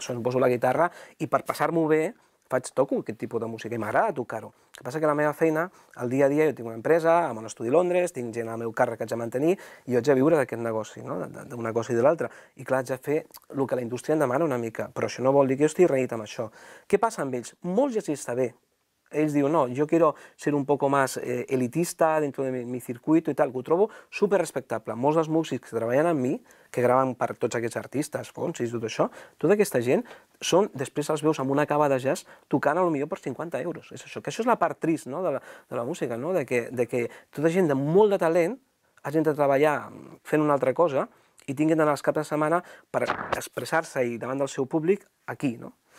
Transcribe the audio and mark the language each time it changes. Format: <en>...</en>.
<ca>Això, em poso la guitarra i per passar-m'ho bé, toco aquest tipus de música i m'agrada tocar-ho. El que passa que la meva feina, el dia a dia, jo tinc una empresa, amb un estudi a Londres, tinc gent al meu càrrec que haig de mantenir, i jo haig de viure d'aquest negoci, d'una cosa i de l'altra. I clar, haig de fer el que la indústria em demana una mica, però això no vol dir que jo estigui renyit amb això. Què passa amb ells? Molts ja s'hi està bé. Ells diuen, no,</ca> <es>jo quiero ser un poco más elitista dentro de mi circuito y tal,</es> <ca>que ho trobo superrespectable. Molts dels músics que treballen amb mi, que graven per tots aquests artistes, Fonsi i tot això, tota aquesta gent són, després els veus amb una cava de jazz, tocant potser per 50 euros. És això, que això és la part trist de la música, que tota gent de molt de talent hagin de treballar fent una altra cosa i tinguin d'anar els caps de setmana per expressar-se i davant del seu públic aquí, no?</ca>